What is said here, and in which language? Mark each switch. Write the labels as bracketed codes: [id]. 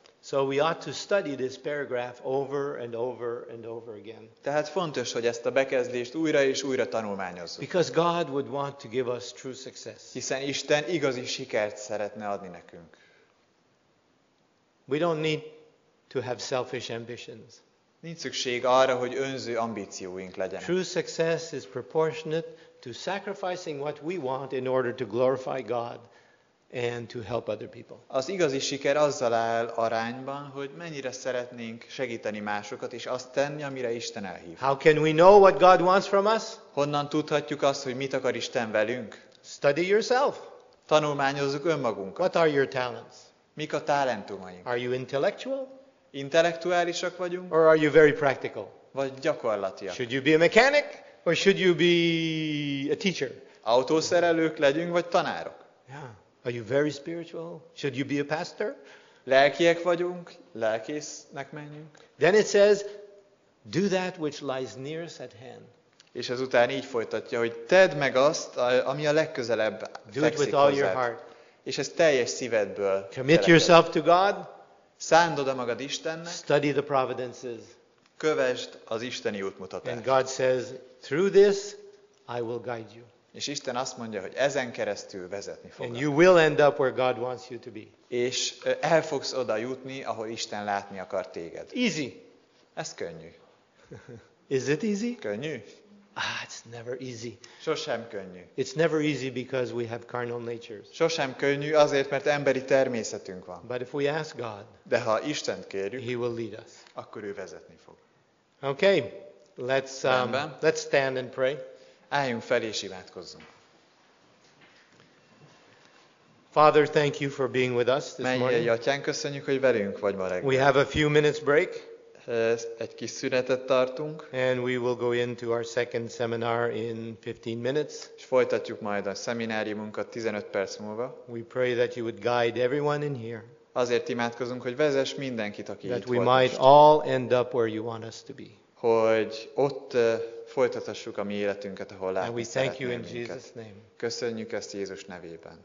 [en] So we ought to study this paragraph over and over and over again. [hu] Tehát fontos, hogy ezt a bekezdést újra és újra tanulmányozzuk. [en] Because God would want to give us true success. [hu] Hiszen Isten igazi sikert szeretne adni nekünk. [en] We don't need to have selfish ambitions. [hu] Nincs szükség arra, hogy önző ambícióink legyenek. [en] True success is proportionate to sacrificing what we want in order to glorify God and to help other people. [hu] Az igazi siker azzal áll arányban, hogy mennyire szeretnénk segíteni másokat és azt tenni, amire Isten elhív. [en] How can we know what God wants from us? [hu] Honnan tudhatjuk azt, hogy mit akar Isten velünk? [en] Study yourself. [hu] Tanulmányozzuk önmagunkat. [en] What are your talents? [hu] Mik a talentumaink? [en] Are you intellectual? [hu] Intellektuálisak vagyunk? [en] Or are you very practical? [hu] Vagy gyakorlatiak? [en] Should you be a mechanic or should you be a teacher? [hu] Autószerelők legyünk vagy tanárok? [en] Yeah. Are you very spiritual? Should you be a pastor? [hu] Lelkiek vagyunk, lelkésznek menjünk. [en] Then it says, do that which lies nearest at hand. [hu] És ezután így folytatja, hogy tedd meg azt, ami a legközelebb fekszik hozzád. [en] Do it with all your heart. [hu] És ez teljes szívedből. [en] Commit yourself to God. [hu] Szánd oda magad Istennek. [en] Study the providences. [hu] Kövesd az isteni útmutatást. [en] And God says, through this, I will guide you. [hu] És Isten azt mondja, hogy ezen keresztül vezetni fogok. [en] And you will end up where God wants you to be. [hu] És el fogsz oda jutni, ahol Isten látni akar téged. [en] Easy. [hu] Ez könnyű. [en] Is it easy? [hu] Könnyű. [en] Ah, it's never easy. [hu] Sosem könnyű. [en] It's never easy because we have carnal natures. [hu] Sosem könnyű azért, mert emberi természetünk van. [en] But if we ask God, [hu] de ha Istent kérjük, [en] He will lead us. [hu] Akkor ő vezetni fog. [en] Okay, let's stand and pray. [hu] Álljunk fel és imádkozzunk. [en] Father, thank you for being with us this morning. [hu] Mennyi atyán, köszönjük, hogy velünk vagy ma reggel. [en] We have a few minutes break. [hu] Egy kis szünetet tartunk. [en] And we will go into our second seminar in 15 minutes. [hu] És folytatjuk majd a szemináriumunkat 15 perc múlva. [en] We pray that you would guide everyone in here. [hu] Azért imádkozunk, hogy vezess mindenkit, aki itt van. [en] That we might all end up where you want us to be. [hu] Hogy ott folytathassuk a mi életünket, ahol látni szeretnél minket. [en] And we thank you in Jesus' name. [hu] Köszönjük ezt Jézus nevében.